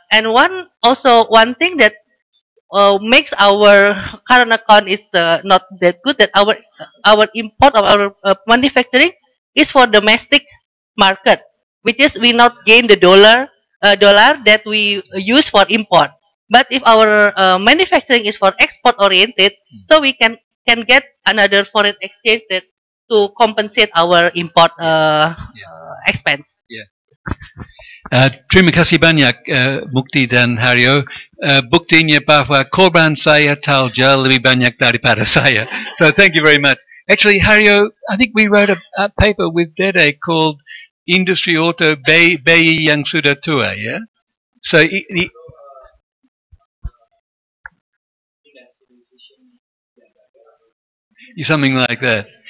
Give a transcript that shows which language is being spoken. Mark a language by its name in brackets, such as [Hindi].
[English] And one thing that makes our current account is not that good, that our import of our manufacturing is for domestic market, which is we not gain the dollar that we use for import. But if our manufacturing is for export oriented, so we can get another foreign exchange that to compensate our import expense. [Indonesian] Terima kasih banyak Mukti dan Hario. Buktinya bahwa korban saya tahu jauh lebih banyak daripada saya. [English] So thank you very much. Actually, Hario, I think we wrote a paper with Dede called Industry Auto Bayi Yang Sudah Tua, yeah? So, something like that.